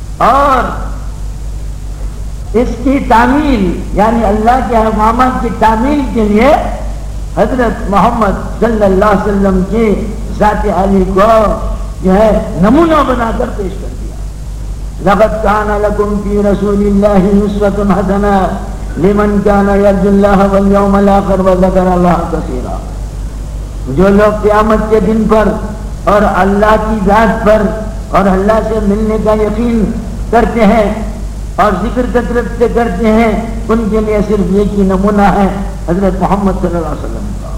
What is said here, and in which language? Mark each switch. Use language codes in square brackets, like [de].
[ur] اور اس کی تعمیل، یعنی اللہ کے احکامات کی تعمیل کے لیے حضرت محمد صلی اللہ علیہ وسلم کی ذات عالی کو جو ہے نمونہ بنا کر پیش کر دیا. [ar] لقد كان لكم في رسول الله اسوة حسنة لمن كان يرجو الله واليوم الآخر وذكر الله كثيرا. [ur] جو لوگ قیامت کے دن پر اور اللہ کی ذات پر اور اللہ سے ملنے کا یقین کرتے ہیں اور ذکر کثرت سے کرتے ہیں، ان کے لیے صرف یہ کی نمونہ ہے حضرت محمد صلی اللہ علیہ وسلم.